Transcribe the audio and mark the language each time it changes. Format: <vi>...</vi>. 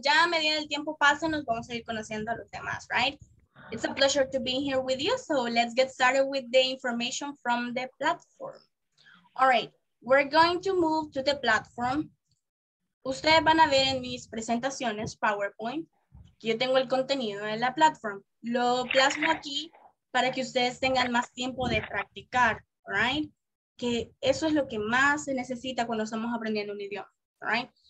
<es>Ya a medida del tiempo pasa, nos vamos a ir conociendo a los demás, right?</es> <en>It's a pleasure to be here with you. So let's get started with the information from the platform. All right, we're going to move to the platform.</en> <es>Ustedes van a ver en mis presentaciones PowerPoint que yo tengo el contenido de la platform. Lo plasmo aquí para que ustedes tengan más tiempo de practicar, right? Que eso es lo que más se necesita cuando estamos aprendiendo un idioma, right?</es>